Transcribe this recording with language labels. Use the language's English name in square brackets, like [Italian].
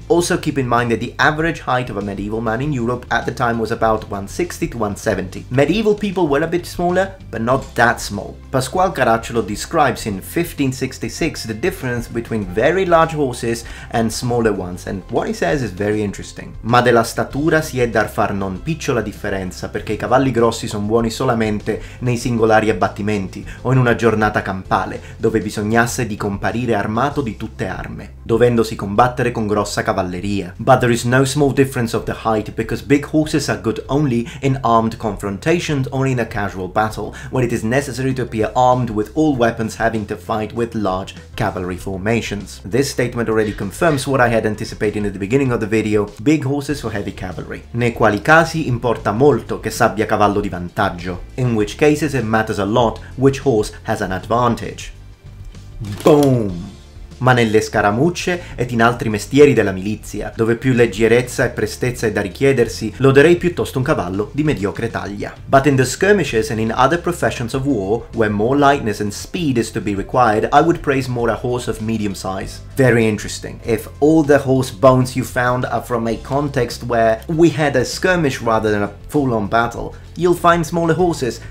[English] Also keep in mind that the average height of a medieval man in Europe at the time was about 160 to 170. Medieval people were a bit smaller, but not that small. Pasquale Caracciolo describes in 1566 the difference between very large horses and smaller ones, and what he says is very interesting. [Italian] Ma della statura si è dar far non picciola differenza, perché i cavalli grossi son buoni solamente nei singolari abbattimenti o in una giornata campale, dove bisognasse di comparire armato di tutte arme, dovendosi combattere con grossa cavalleria. [English] But there is no small difference of the height, because big horses are good only in armed confrontations or in a casual battle, when it is necessary to appear armed with all weapons, having to fight with large cavalry formations. This statement already confirms what I had anticipated at the beginning of the video, big horses for heavy cavalry. [Italian] Nei quali casi importa molto che s'abbia cavallo di vantaggio. [English] In which cases it matters a lot which horse has an advantage. Boom! [Italian] Ma nelle scaramucce ed in altri mestieri della milizia, dove più leggerezza e prestezza è da richiedersi, loderei piuttosto un cavallo di mediocre taglia. [English] But in the skirmishes and in other professions of war, where more lightness and speed is to be required, I would praise more a horse of medium size. Very interesting. If all the horse bones you found are from a context where we had a skirmish rather than a full-on battle, you'll find smaller horses.